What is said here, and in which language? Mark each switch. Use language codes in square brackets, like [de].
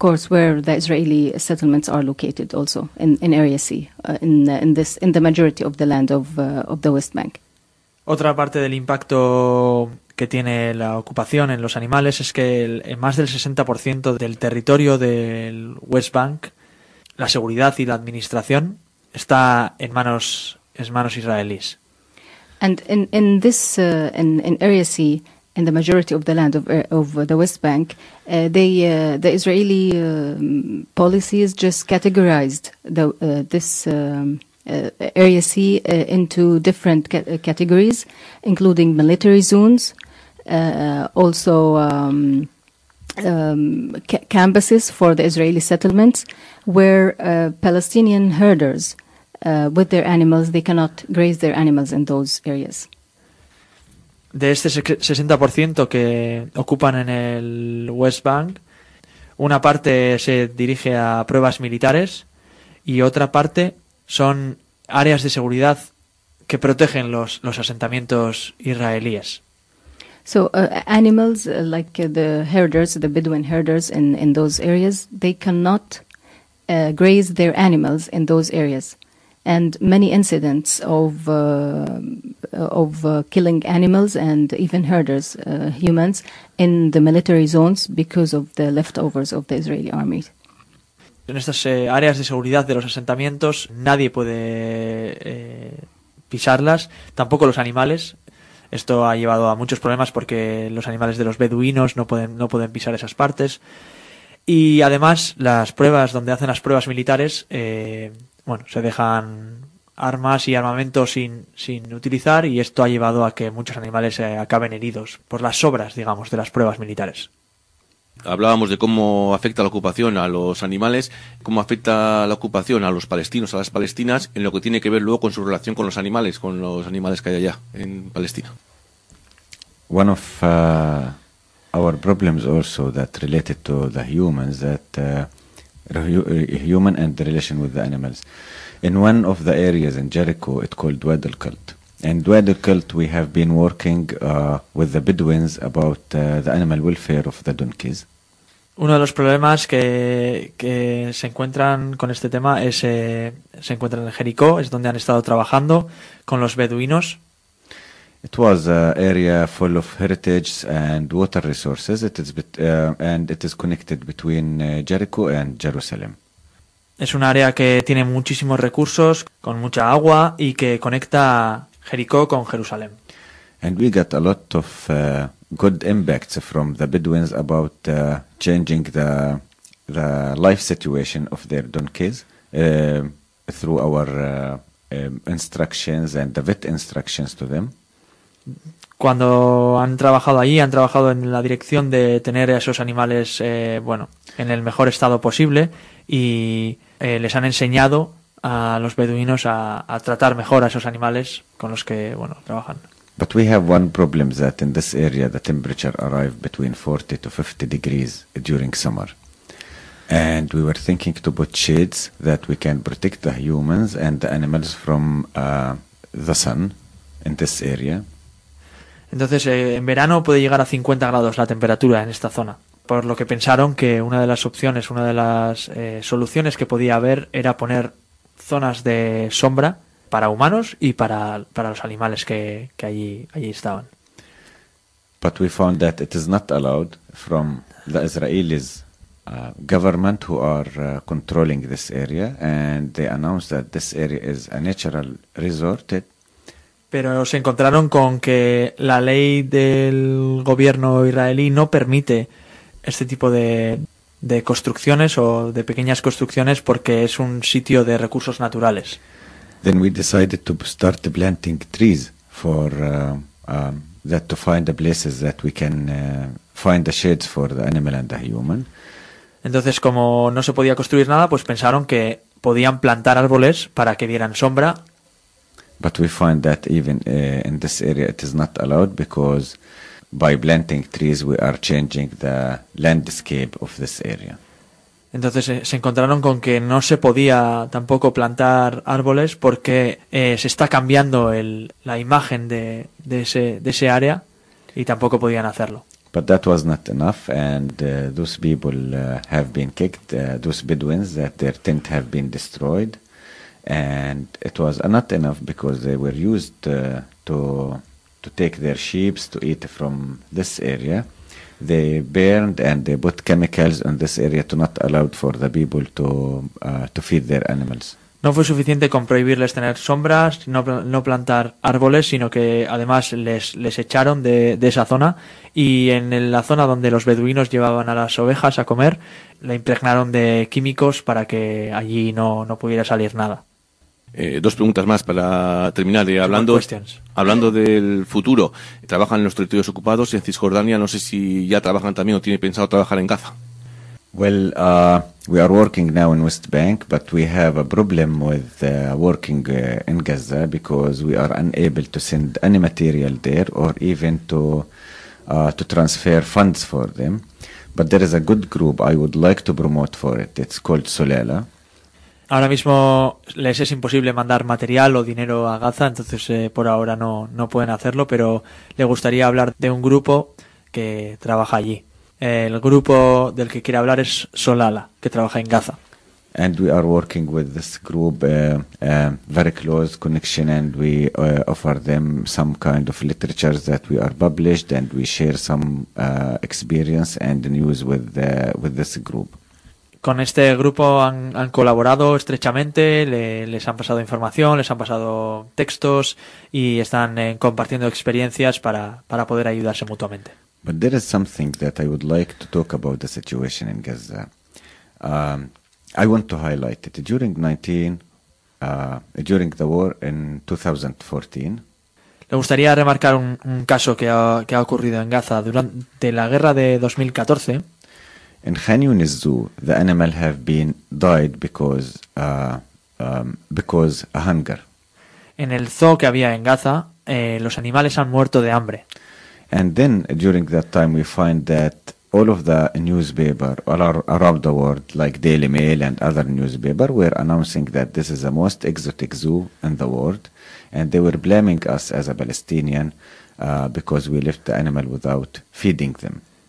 [en] Where the Israeli settlements are located also in Area C, in the majority of the land of the West Bank. [es] Otra parte del impacto que tiene la ocupación en los animales es que en más del 60% del territorio del West Bank, la seguridad y la administración está en manos israelíes. [en] And in Area C, in the majority of the land of the West Bank, the Israeli policies just categorized the this Area C into different categories, including military zones, also campuses for the Israeli settlements, where Palestinian herders with their animals, they cannot graze their animals in those areas. [es] De este 60% que ocupan en el West Bank, una parte se dirige a pruebas militares y otra parte son áreas de seguridad que protegen los asentamientos israelíes. [en] So animals like the herders, the Bedouin herders in those areas, they cannot graze their animals in those areas. And many incidents of killing animals and even herders, humans, in the military zones because of the leftovers of the Israeli army. [es] En estas áreas de seguridad de los asentamientos nadie puede pisarlas, tampoco los animales. Esto ha llevado a muchos problemas porque los animales de los beduinos no pueden pisar esas partes. Y además las pruebas donde hacen las pruebas militares, bueno, se dejan armas y armamento sin utilizar y esto ha llevado a que muchos animales acaben heridos por las sobras, digamos, de las pruebas militares. Hablábamos de cómo afecta la ocupación a los animales, cómo afecta la ocupación a los palestinos, a las palestinas, en lo que tiene que ver luego con su relación con los animales que hay allá en Palestina. [en] One of our problems also that related to the humans, that human and the relation with the animals. In one of the areas in Jericho, it's called Wadi al-Qalt. In Wadi al-Qalt, we have been working with the Bedouins about the animal welfare of the donkeys. [es] Uno de los problemas que se encuentran con este tema es se encuentran en Jericó, es donde han estado trabajando con los beduinos. [en] It was an area full of heritage and water resources. It is connected between Jericho and Jerusalem. [es] Es un área que tiene muchísimos recursos, con mucha agua y que conecta Jericó con Jerusalén. [en] And we got a lot of good impacts from the Bedouins about changing the life situation of their donkeys through our instructions and the vet instructions to them. [es] Cuando han trabajado allí, han trabajado en la dirección de tener a esos animales bueno, en el mejor estado posible y les han enseñado a los beduinos a tratar mejor a esos animales con los que bueno trabajan. [en] But we have one problem that in this area the temperature arrived between 40 to 50 degrees during summer, and we were thinking to put shades that we can protect the humans and the animals from the sun in this area. [es] Entonces en verano puede llegar a 50 grados la temperatura en esta zona. Por lo que pensaron que una de las opciones, una de las soluciones que podía haber era poner zonas de sombra para humanos y para los animales que allí estaban. [en] But we found that it is not allowed from the Israelis government who are controlling this area, and they announced that this area is a natural resort. [es] Pero se encontraron con que la ley del gobierno israelí no permite este tipo de construcciones o de pequeñas construcciones porque es un sitio de recursos naturales. [en] Then we decided to start planting trees for that to find the places that we can find the sheds for the animal and the human. [es] Entonces, como no se podía construir nada, pues pensaron que podían plantar árboles para que dieran sombra. [en] But we find that even in this area it is not allowed because by planting trees we are changing the landscape of this area. [es] Entonces se encontraron con que no se podía tampoco plantar árboles porque se está cambiando la imagen de ese área y tampoco podían hacerlo. [en] But that was not enough, and those people have been kicked, those Bedouins, that their tent have been destroyed. And it was not enough because they were used to take their sheep to eat from this area. They burned and they put chemicals in this area to not allow for the people to feed their animals. [es] No fue suficiente con prohibirles tener sombras, no plantar árboles, sino que además les echaron de esa zona. Y en la zona donde los beduinos llevaban a las ovejas a comer, la impregnaron de químicos para que allí no pudiera salir nada. Dos preguntas más para terminar. Hablando del futuro, ¿trabajan en los territorios ocupados y en Cisjordania? No sé si ya trabajan también o tienen pensado trabajar en Gaza. [en] Well, we are working now in West Bank, but we have a problem with working in Gaza because we are unable to send any material there or even to transfer funds for them. But there is a good group I would like to promote for it. It's called Solela. [es] Ahora mismo les es imposible mandar material o dinero a Gaza, entonces por ahora no pueden hacerlo, pero le gustaría hablar de un grupo que trabaja allí. El grupo del que quiere hablar es Solala, que trabaja en Gaza. [en] And we are working with this group, very close connection, and we offer them some kind of literature that we are published, and we share some experience and news with this group. [es] Con este grupo han colaborado estrechamente, les han pasado información, les han pasado textos y están compartiendo experiencias para poder ayudarse mutuamente. [en] But there is something that I would like to talk about the situation in Gaza. I want to highlight it. During the war in 2014. [es] Le gustaría remarcar un caso que ha ocurrido en Gaza durante la guerra de 2014. [en] In Khan Yunis Zoo, the animal have been died because a hunger. [es] En el zoo que había en Gaza, los animales han muerto de hambre. [en] And then during that time we find that all of the newspaper around the world, like Daily Mail and other newspaper, were announcing that this is the most exotic zoo in the world, and they were blaming us as a Palestinian because we left the animal without feeding them.